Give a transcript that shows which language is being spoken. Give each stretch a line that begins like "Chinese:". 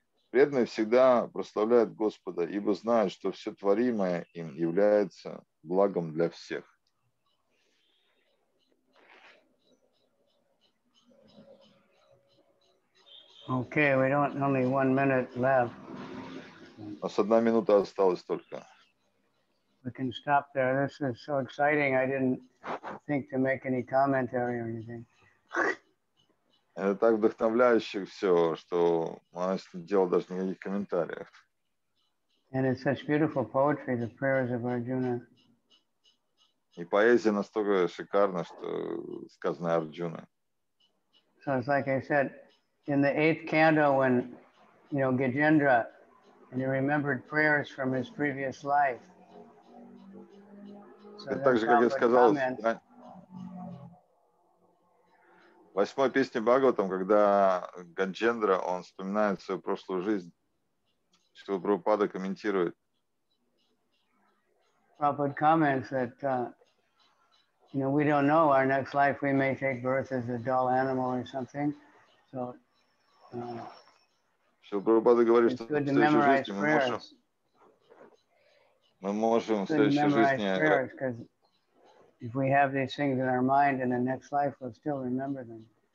Russian: Преданные всегда прославляют Господа, ибо знают, что все творимое им является благом для всех.
English: Okay, we don't only 1 minute left.
Russian: У нас 1 минута осталась только.
English: We can stop there. This is so exciting. I didn't think to make any commentary or anything.
Russian: Это так вдохновляюще все, что у нас не делал даже никаких комментариев.
English: And it's such beautiful poetry, the prayers of Arjuna.
Russian: И поэзия настолько шикарна, что сказано Арджуна.
English: So it's like I said, in the eighth canto, when, you know, Gajendra, and he remembered prayers from his previous life.
Russian: So так же, как я сказал, в восьмой песне Бхагаватам, когда Гаджендра, он вспоминает свою прошлую жизнь, что Прабхупада комментирует.
English: Прабхупада comments that, you know, we don't know our next life, we may take birth as a dull animal or something. So,
Russian: что Прабхупада говорит, что в следующей жизни мы можем в следующей жизни...
English: If we have these things in our mind, in the next life, we'll still remember them.